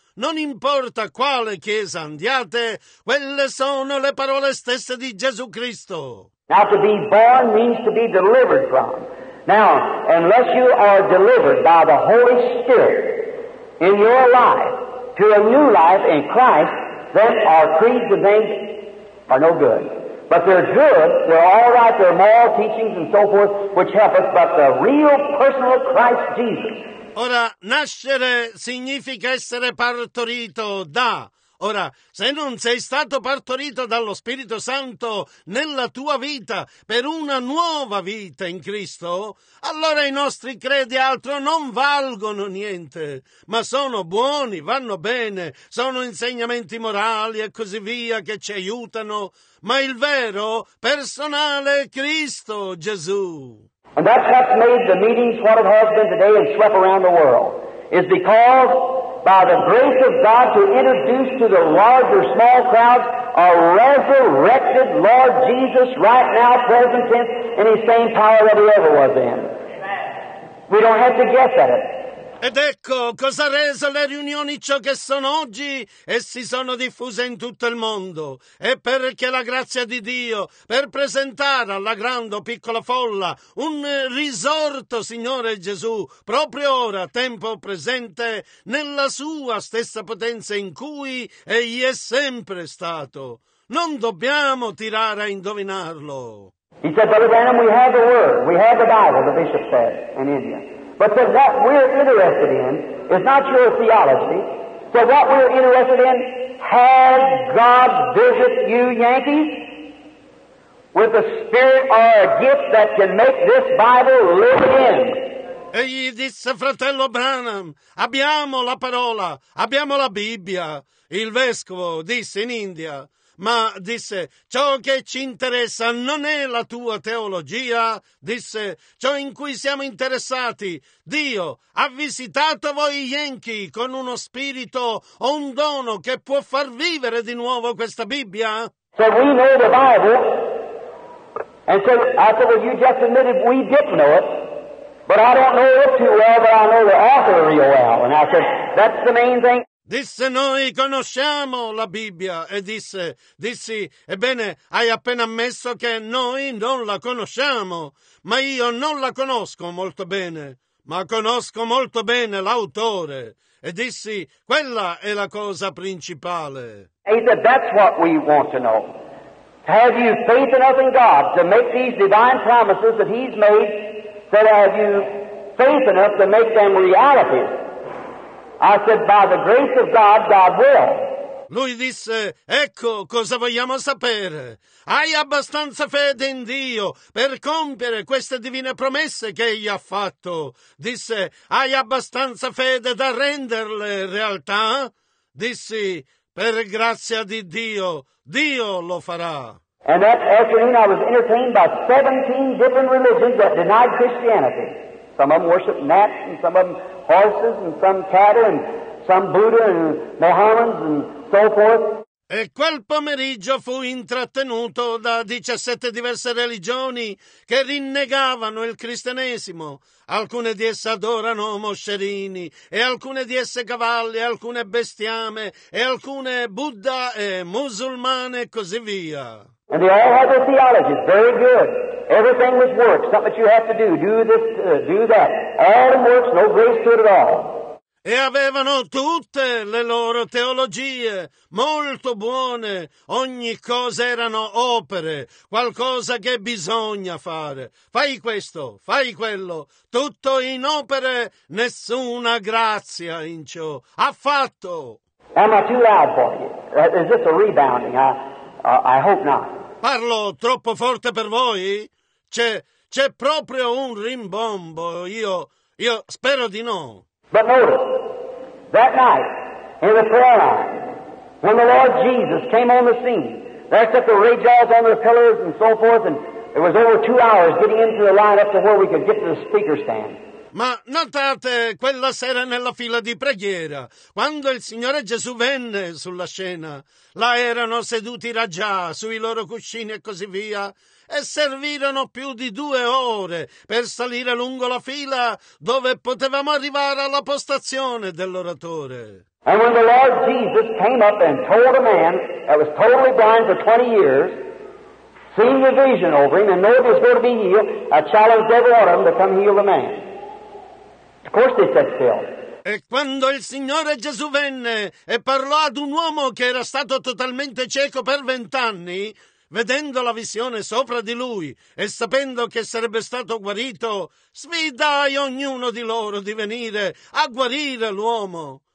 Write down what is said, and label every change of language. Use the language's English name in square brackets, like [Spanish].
[Italian] Non importa a quale chiesa andiate, quelle sono le parole stesse di Gesù Cristo. [English] Now to be born means to be delivered from. Now, unless you are delivered by the Holy Spirit in your life to a new life in Christ, then our creeds and things are no good. But they're good, they're all right, they're moral teachings and so forth, which help us, but the real personal Christ Jesus. [Italian] Ora, nascere significa essere partorito da. Ora, se non sei stato partorito dallo Spirito Santo nella tua vita per una nuova vita in Cristo, allora i nostri credi altro non valgono niente, ma sono buoni, vanno bene, sono insegnamenti morali e così via che ci aiutano, ma il vero personale è Cristo Gesù. [English] And that's what made the meetings what it has been today and swept around the world, is because by the grace of God to introduce to the large or small crowds a resurrected Lord Jesus right now, present tense, in his same power that he ever was in. We don't have to guess at it. [Italian] Ed ecco cosa ha reso le riunioni ciò che sono oggi e si sono diffuse in tutto il mondo. È perché la grazia di Dio, per presentare alla grande o piccola folla un risorto Signore Gesù, proprio ora, tempo presente, nella sua stessa potenza in cui egli è sempre stato. Non dobbiamo tirare a indovinarlo. [English] He said, Brother Branham, we have the word, we have the Bible, the bishop said, in India. But that what we're interested in is not your theology. That what we're interested in, has God visited you Yankees with a spirit or a gift that can make this Bible live in? [Italian] E gli disse, fratello Branham, abbiamo la parola, abbiamo la Bibbia. Il vescovo disse in India. Ma, disse, ciò che ci interessa non è la tua teologia, disse, ciò in cui siamo interessati. Dio ha visitato voi Yankee con uno spirito o un dono che può far vivere di nuovo questa Bibbia? [English] So we know the Bible, and so I said, well, you just admitted we didn't know it, but I don't know it too well, but I know the author real well. And I said, that's the main thing. [Italian] Disse, noi conosciamo la Bibbia, e disse, dissi, ebbene, hai appena ammesso che noi non la conosciamo, ma io non la conosco molto bene, ma conosco molto bene l'autore, e dissi, quella è la cosa principale. [English] He said, that's what we want to know. Have you faith enough in God to make these divine promises that he's made, that have you faith enough to make them reality? I said, by the grace of God, God will. [Italian] Lui disse, ecco cosa vogliamo sapere. Hai abbastanza fede in Dio per compiere queste divine promesse che egli ha fatto? Disse, hai abbastanza fede da renderle realtà? Dissi, per grazia di Dio, Dio lo farà. [English] And that afternoon I was entertained by 17 different religions that denied Christianity. Some of them worship gnats and some of them horses and some cattle and some Buddha and Mohammedans and so forth. [Italian] E quel pomeriggio fu intrattenuto da 17 diverse religioni che rinnegavano il cristianesimo. Alcune di esse adorano moscerini, e alcune di esse cavalli, alcune bestiame, e alcune Buddha e musulmane, e così via. [English] And they all have their theologies, very good. Everything which works, something that you have to do, do this, do that. All them works, no grace to it at all. [Italian] E avevano tutte le loro teologie, molto buone. Ogni cosa erano opere, qualcosa che bisogna fare. Fai questo, fai quello. Tutto in opere, nessuna grazia in ciò. Affatto! [English] Am I too loud for you? Is this a rebounding? I hope not. [Italian] Parlo troppo forte per voi? C'è proprio un rimbombo. Io spero di no. [English] But notice, that night, in the prayer line. When the Lord Jesus came on the scene, there set the ray jaws on their pillars and so forth, and it was over 2 hours getting into the line up to where we could get to the speaker stand. [Italian] Ma notate, quella sera nella fila di preghiera, quando il Signore Gesù venne sulla scena, là erano seduti raggià sui loro cuscini e così via, e servirono più di 2 ore per salire lungo la fila dove potevamo arrivare alla postazione dell'oratore. [English] And when the Lord Jesus came up and told a man that was totally blind for 20 years, seeing the vision over him and knowing he was going to be healed, I challenged every one of them to come heal the man. Of course they said still. [Italian] E quando il Signore Gesù venne e parlò ad un uomo che era stato totalmente cieco per 20 anni, vedendo la visione sopra di lui e sapendo che sarebbe stato guarito, sfidai ognuno di loro di venire a guarire l'uomo.